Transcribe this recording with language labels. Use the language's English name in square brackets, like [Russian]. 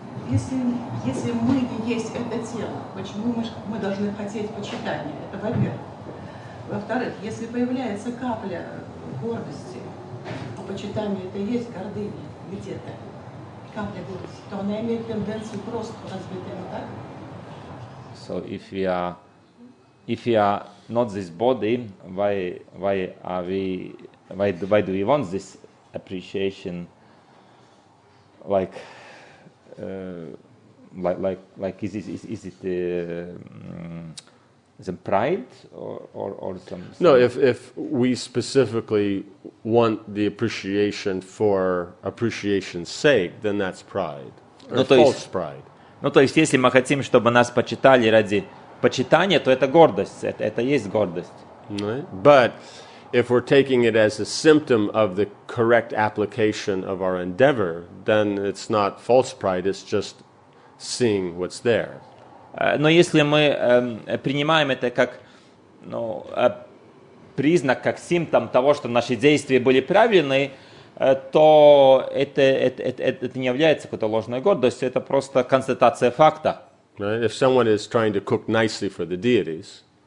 [Russian] Если мы не есть это тело, почему мы должны хотеть почитания? Это во-первых. Во-вторых, если появляется капля гордости, а почитание это и есть гордыня где-то, капля гордости, то она имеет тенденцию к росту, разве это не так? [English] So if you are not this body, why do you want this appreciation? Like is it some pride or some... No, if we specifically want the appreciation for appreciation's sake, then that's pride. Pride. [Russian] Ну, то есть, если мы хотим, чтобы нас почитали ради почитания, то это гордость, это есть гордость. [English] No. But if we're taking it as a symptom of the correct application of our endeavor, then it's not false pride, it's just seeing what's there. [Russian] Но если мы принимаем это как признак, как симптом того, что наши действия были правильны, то это не является какой-то ложной гордостью, это просто констатация факта. [English] Right? If someone is trying to cook nicely for the deities,